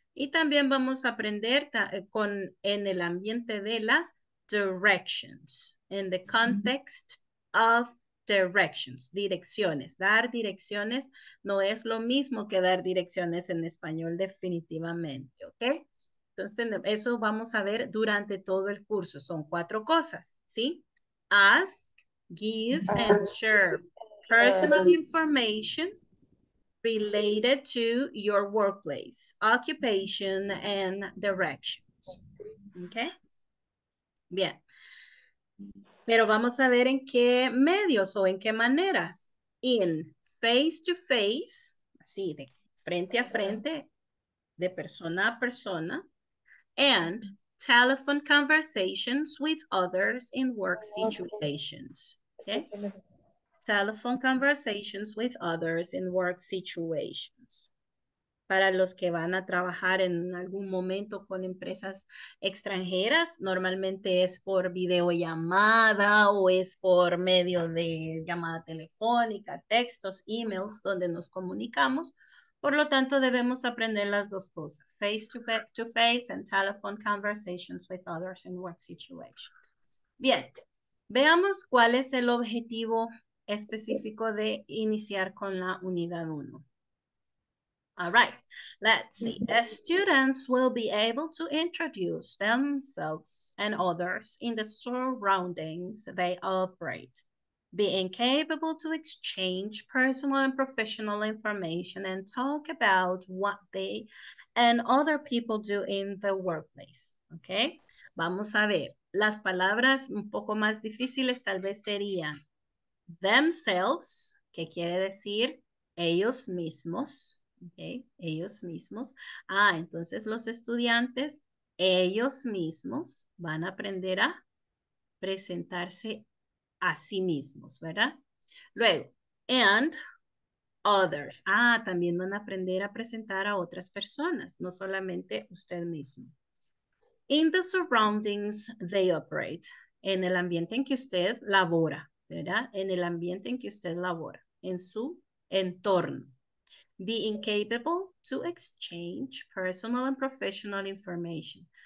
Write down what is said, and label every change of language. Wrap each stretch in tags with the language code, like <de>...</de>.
<es>Y también vamos a aprender con en el ambiente de las directions,</es> <en>in the context of directions,</en> <es>direcciones. Dar direcciones no es lo mismo que dar direcciones en español, definitivamente, ¿ok? Entonces, eso vamos a ver durante todo el curso. Son cuatro cosas, ¿sí?</es> <en>Ask, give, and share personal information related to your workplace, occupation, and directions, ¿ok?</en> <es>Bien. Pero vamos a ver en qué medios o en qué maneras.</es> <en>In face to face,</en> <es>así de frente a frente, de persona a persona.</es> <en>And telephone conversations with others in work situations. Okay? Telephone conversations with others in work situations.</en> <es>Para los que van a trabajar en algún momento con empresas extranjeras, normalmente es por videollamada o es por medio de llamada telefónica, textos, emails, donde nos comunicamos. Por lo tanto, debemos aprender las dos cosas.</es> <en>Face to face and telephone conversations with others in work situations.</en> <es>Bien, veamos cuál es el objetivo específico de iniciar con la unidad 1.</es> <en>All right, let's see. As students will be able to introduce themselves and others in the surroundings they operate, being capable to exchange personal and professional information and talk about what they and other people do in the workplace.</en> <es>Okay, vamos a ver. Las palabras un poco más difíciles tal vez serían themselves, que quiere decir ellos mismos. Okay, ellos mismos. Ah, entonces los estudiantes, ellos mismos van a aprender a presentarse a sí mismos, ¿verdad? Luego,</es> <en>and others.</en> <es>Ah, también van a aprender a presentar a otras personas, no solamente usted mismo.</es> <en>In the surroundings they operate.</en> <es>En el ambiente en que usted labora, ¿verdad? En el ambiente en que usted labora, en su entorno.</es> <en>Being capable to exchange personal and professional information.</en>